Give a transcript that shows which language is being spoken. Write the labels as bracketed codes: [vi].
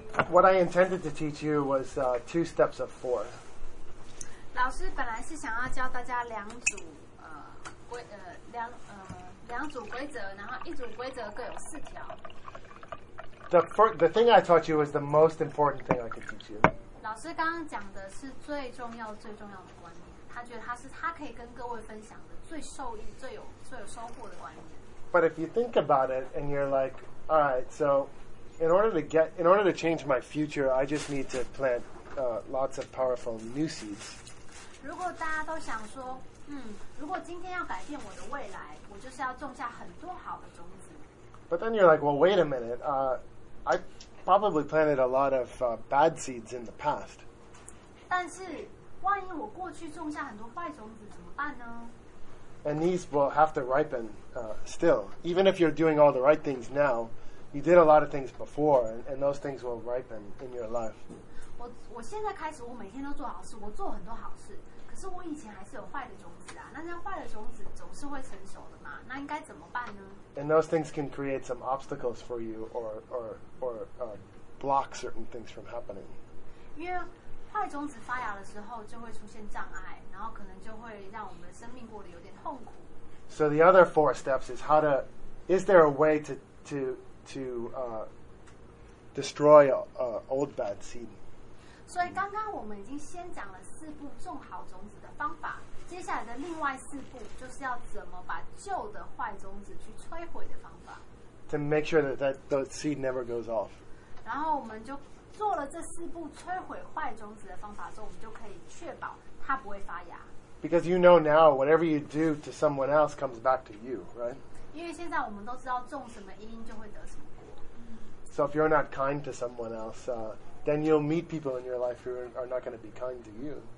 [en] What I intended to teach you was two steps of four. [zh] 老师本来是想要教大家两组规则，然后一组规则各有四条。 [en] The thing I taught you was the most important thing I could teach you. [zh] 老师刚刚讲的是最重要最重要的观念，他觉得他可以跟各位分享的最受益最有收获的观念。 [en] But if you think about it and you're like, all right, so in order to change my future, I just need to plant lots of powerful new seeds. [zh] 如果大家都想说，如果今天要改变我的未来，我就是要种下很多好的种子。 [en] But then you're like, well, wait a minute, I probably planted a lot of bad seeds in the past. [zh] 但是万一我过去种下很多坏种子怎么办呢？ [en] And these will have to ripen still. Even if you're doing all the right things now, you did a lot of things before, and those things will ripen in your life. [zh] 我现在开始我每天都做好事，我做很多好事，可是我以前还是有坏的种子啊，那些坏的种子总是会成熟的嘛，那应该怎么办呢？ [en] And those things can create some obstacles for you or block certain things from happening. [zh] 因为坏种子发芽的时候就会出现障碍，然后可能就会让我们的生命过得有点痛苦。 [en] So the other four steps is is there a way to destroy old bad seed? [zh] 所以刚刚我们已经先讲了四步种好种子的方法。接下来的另外四步就是要怎么把旧的坏种子去摧毁的方法。 [en] To make sure that the seed never goes off. [zh] 然后我们就做了这四步摧毁坏种子的方法之后，我们就可以确保它不会发芽。 [en] Because you know now, whatever you do to someone else comes back to you, right? [zh] 因为现在我们都知道种什么因就会得什么果。 [en] So if you're not kind to someone else, then you'll meet people in your life who are not going to be kind to you.